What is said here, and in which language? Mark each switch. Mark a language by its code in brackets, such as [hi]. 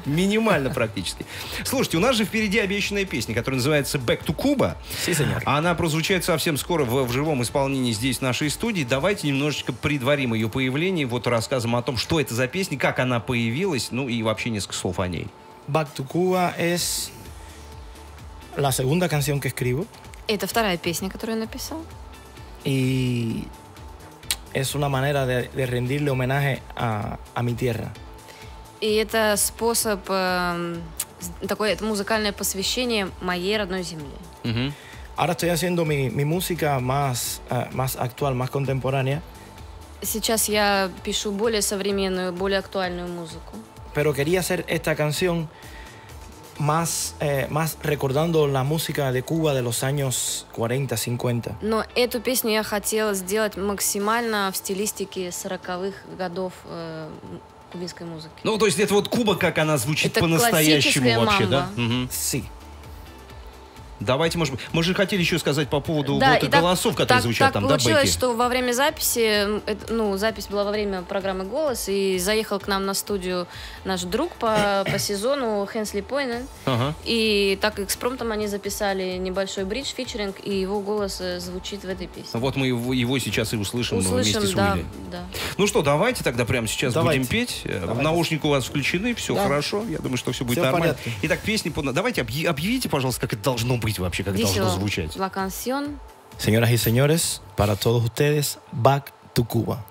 [ru] Минимально практически. Слушайте, у нас же впереди обещанная песня, которая называется «Back to Cuba». Она прозвучает совсем скоро в живом исполнении здесь, в нашей студии. Давайте немножечко предварим ее появление вот рассказом о том, что это за песня, как она появилась, ну и вообще несколько слов о ней. [es] «Back to Cuba» es la segunda canción que escribo. [ru] Это вторая песня, которую я написал. [es] И es una manera de rendirle homenaje a mi tierra. [ru] И это способ, такое это музыкальное посвящение моей родной земле. [es] Ahora estoy haciendo mi música más, más actual, más contemporánea. [ru] Сейчас я пишу более современную, более актуальную музыку. [es] pero quería hacer esta canción más, más recordando la música de Cuba de los años 40-50. [ru] Но эту песню я хотела сделать максимально в стилистике 40-х годов кубинской музыки. Ну, то есть это вот Куба, как она звучит это по-настоящему вообще, мамба. Да? Угу. [es] Sí. [ru] Давайте, может быть, мы же хотели еще сказать по поводу да, вот так, голосов, которые так, звучат там, получилось, да, Бекки? Что во время записи, ну, запись была во время программы «Голос», и заехал к нам на студию наш друг по сезону, Хэнсли Пойнен, и так экспромтом они записали небольшой бридж, фичеринг, и его голос звучит в этой песне. Вот мы его сейчас и услышим, вместе с Уилли. Да, да. Ну что, давайте тогда прямо сейчас будем петь. Давайте. Наушники у вас включены, все да. хорошо, я думаю, что все будет все нормально. Порядке. Итак, песни, давайте объявите, пожалуйста, как это должно быть вообще, как [es] Dicho, [ru] должно звучать. [es] La canción. Señoras y señores, para todos ustedes, Back to Cuba.